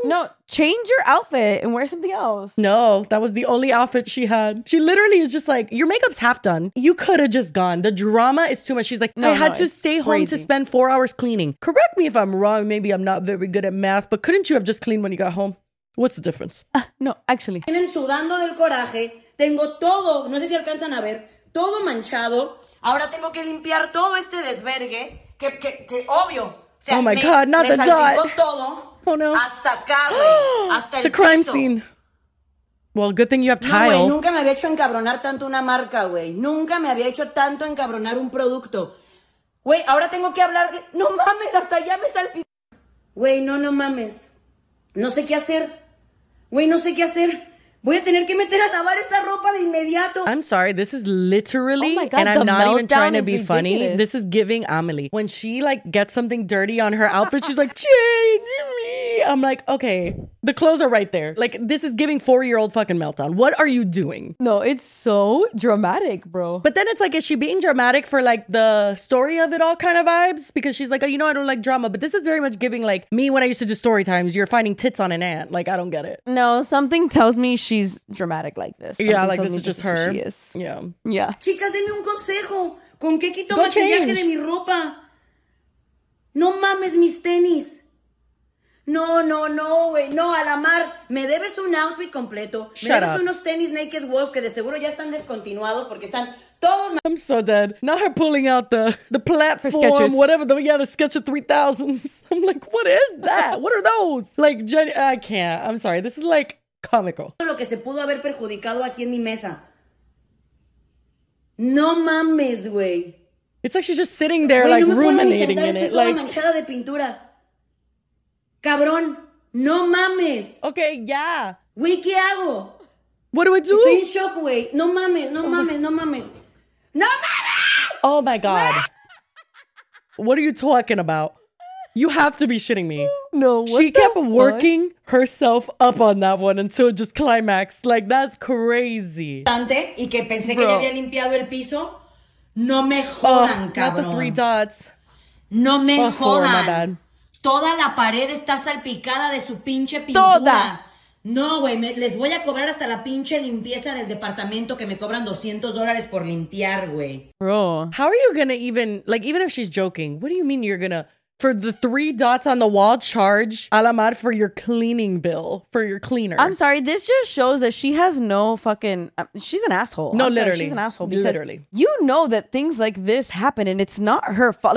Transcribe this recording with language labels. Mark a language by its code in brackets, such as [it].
[en] No, change your outfit and wear something else. No, that was the only outfit she had. She literally is just like, your makeup's half done. You could have just gone. The drama is too much. She's like, I had to stay home to spend 4 hours cleaning. Correct me if I'm wrong. Maybe I'm not very good at math, but couldn't you have just cleaned when you got home? What's the difference? No, actually. [es] Tienen sudando del coraje. Tengo todo, no sé si alcanzan a ver, todo manchado. Ahora tengo que limpiar todo este desvergue. Que obvio. O sea, [en] oh my God, not the dot. [es] Me salpicó todo. [en] Oh no. [es] Hasta acá, hasta el piso. [en] It's a crime scene. Well, good thing you have tile. [es] No, güey, nunca me había hecho encabronar tanto una marca, güey. Nunca me había hecho tanto encabronar un producto. Güey, ahora tengo que hablar. No mames, hasta allá me salpicó. Güey, no mames. No sé qué hacer. Güey, no sé qué hacer. Voy a tener que meter a lavar esta ropa de inmediato. [en] I'm sorry, this is literally, oh God, and I'm not even trying to be ridiculous. Funny. This is giving Amelie. When she like gets something dirty on her outfit, she's like, change me. I'm like, okay, the clothes are right there. Like, this is giving 4-year-old fucking meltdown. What are you doing? No, it's so dramatic, bro. But then it's like, is she being dramatic for like the story of it all kind of vibes? Because she's like, oh, you know, I don't like drama, but this is very much giving like me when I used to do story times, you're finding tits on an ant. Like, I don't get it. No, something tells me she's dramatic like this. Something yeah, like this is just her. She is. Yeah. Yeah. [es] Chicas, denme un consejo. ¿Con qué quito maquillaje de mi ropa? No mames mis tenis. No, güey. No, a la mar. Me debes un outfit completo. [en] Shut up. [es] Unos tenis Naked Wolf que de seguro ya están descontinuados porque están... [en] I'm so dead. Not her pulling out the platform, whatever. The sketch of 3000s. I'm like, what is that? What are those? Like, I can't. I'm sorry. This is like comical. [es] Lo que se pudo haber perjudicado aquí en mi mesa. No mames, güey. [en] It's like she's just sitting there, like ruminating in it. Like, [es] manchada de pintura. Cabrón, no mames. [en] Okay, yeah. [es] Güey, ¿qué hago? [en] What do I do? [es] Estoy en shock, güey. No mames. No mames! [en] Oh my God. What are you talking about? You have to be shitting me. No, she kept working herself up on that one until it just climaxed. Like, that's crazy. [es] Y que pensé que ya había limpiado el piso. No me jodan, cabrón. [en] Not the three dots. [es] No me jodan. [en] My bad. [es] Toda la pared está salpicada de su pinche pintura. Toda. No, güey, les voy a cobrar hasta la pinche limpieza del departamento que me cobran $200 por limpiar, güey. [en] Bro, how are you gonna even, like, even if she's joking, what do you mean you're gonna, for the three dots on the wall, charge Alamar for your cleaning bill, for your cleaner? I'm sorry, this just shows that she has no fucking, she's an asshole. No, literally. She's an asshole because literally. You know that things like this happen and it's not her fault.